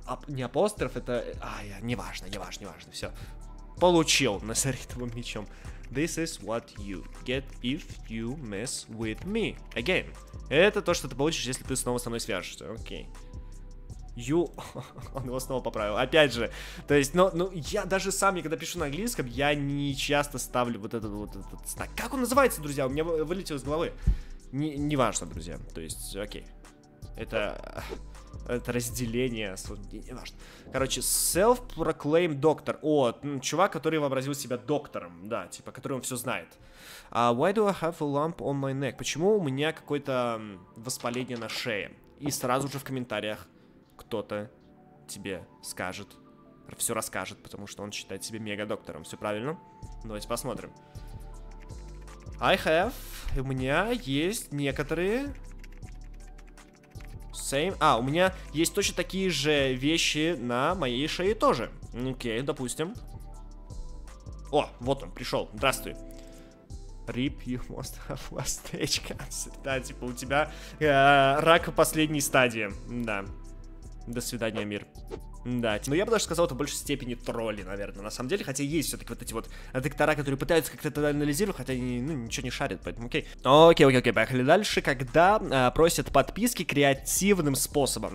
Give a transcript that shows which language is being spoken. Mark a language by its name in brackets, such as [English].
[Russian] Неважно, все. Получил насеритовым мечом. [English] This is what you get if you mess with me again. [Russian] Это то, что ты получишь, если ты снова со мной свяжешься. Окей. Okay. Он его снова поправил. Опять же. То есть, ну, я даже сам, когда пишу на английском, я не часто ставлю вот этот знак. Как он называется, друзья? У меня вылетел из головы. Неважно, друзья. То есть, окей. Okay. Это разделение, не важно. Короче, [English] self-proclaimed doctor. [Russian] О, чувак, который вообразил себя доктором. Да, типа, который он все знает. [English] Why do I have a lump on my neck? [Russian] Почему у меня какое-то воспаление на шее? И сразу же в комментариях кто-то тебе скажет, все расскажет, потому что он считает себя мега-доктором. Все правильно? Давайте посмотрим. У меня есть некоторые... у меня есть точно такие же вещи на моей шее тоже. Окей, допустим. О, вот он, пришел. Здравствуй. [English] Rip, you must have last stage cancer. [Russian] Да, типа у тебя рак в последней стадии. Да. До свидания, мир. Да, но я бы даже сказал, это в большей степени тролли, наверное, на самом деле. Хотя есть все-таки вот эти вот доктора, которые пытаются как-то это анализировать, хотя они, ну, ничего не шарят, поэтому окей. Окей, поехали дальше. Когда просят подписки креативным способом.